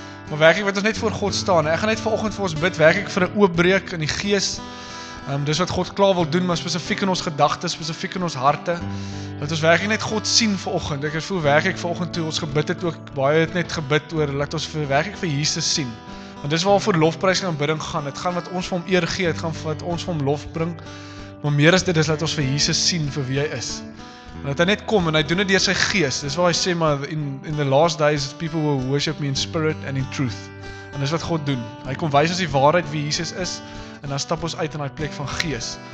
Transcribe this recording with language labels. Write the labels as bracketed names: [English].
[Afrikaans] Maar werkelijk, wat ons net voor God staan, ek gaan net vanoggend vir ons bid, werkelijk vir 'n oopbreek in die Gees. Dis wat God klaar wil doen, maar spesifiek in ons gedagtes, spesifiek in ons harte. Dat ons werkelijk net God sien vanoggend. Ek voel werkelijk vanoggend toe ons gebid het ook, baie het net gebid oor, laat ons werkelijk vir Jesus sien. Want dis waar voor lofprys en bidding gaan. Het gaan wat ons vir hom eer gee, het gaan wat ons vir hom lof bring. Maar meer as dit is, laat ons vir Jesus sien vir wie hy is. En dat hy net kom en hy doen dit deur sy Gees. Dis waar hy sê, maar [English] in the last days, people will worship me in spirit and in truth. [Afrikaans] En dis wat God doen. Hy kom wys ons die waarheid wie Jesus is, en dan stap ons uit in die plek van Gees.